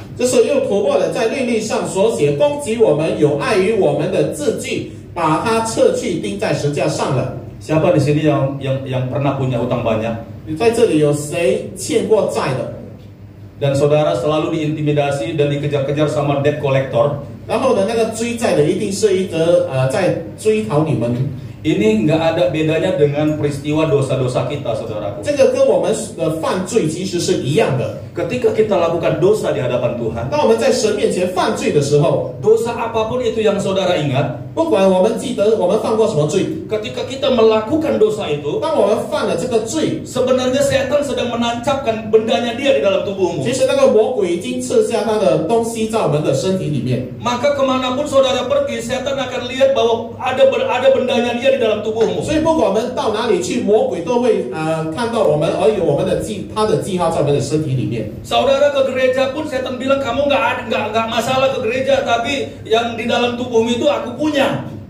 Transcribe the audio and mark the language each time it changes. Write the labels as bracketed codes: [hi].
[zh] 这是又突破了在律例上所写攻击我们有碍于我们的字句，把它撤去钉在十字架上了。 [id] Siapa di sini yang pernah punya utang banyak? [zh] 在这里有谁欠过债的？ [id] Dan saudara selalu diintimidasi dan dikejar-kejar sama debt collector. [zh] 然后呢，那个追债的一定是一直在追讨你们。 [id] Ini enggak ada bedanya dengan peristiwa dosa-dosa kita, saudaraku. [zh] 这个跟我们的犯罪其实是一样的。 [id] Ketika kita lakukan dosa di hadapan Tuhan, [zh] 当我们在神面前犯罪的时候， [id] dosa apapun itu yang saudara ingat， [zh] 不管我们记得我们犯过什么罪， [id] ketika kita melakukan dosa itu， [zh] 当我们犯了这个罪， [id] sebenarnya setan sedang menancapkan bendanya dia di dalam tubuhmu。 [zh] 其实那个魔鬼已经刺下他的东西在我们的身体里面。 [id] Maka kemanapun saudara pergi， setan akan lihat bahwa ada bendanya dia di dalam tubuhmu。 [zh] 所以不管我们到哪里去， 魔鬼都会 看到我们， 而有我们的记， 他的记号在我们的身体里面。 [id] Saudara ke gereja pun setan bilang kamu enggak masalah ke gereja, tapi yang di dalam tubuhmu itu aku punya.